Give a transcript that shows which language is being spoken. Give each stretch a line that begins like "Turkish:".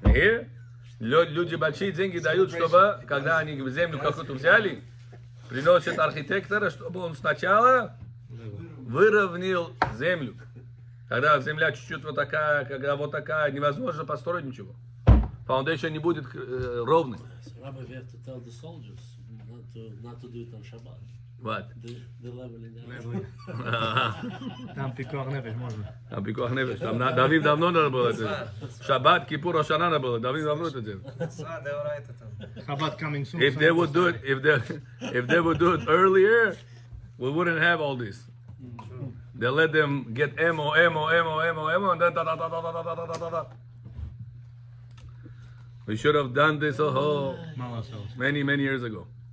Russian: You hear? Люди большие деньги дают, чтобы, когда они землю какую-то взяли, приносит архитектора, чтобы он сначала выровнял землю. Когда земля чуть-чуть вот такая, когда вот такая, невозможно построить ничего. Foundation не будет ровным.
English: Rabbi, we have to tell the soldiers not to do it on Shabbat. What? The leveling.
Russian: Там пикох нефеш можно. Там пикох нефеш. Там Давид давно надо было это делать. Шаббат, Кипур, Ошана надо было. Давид давно это делал.
English: Shabbat coming soon. If they would do it, if they would do it earlier, we wouldn't have all this. They let them get ammo, and then da-da-da-da-da-da-da-da-da-da-da. We should have done this a whole many, many years ago.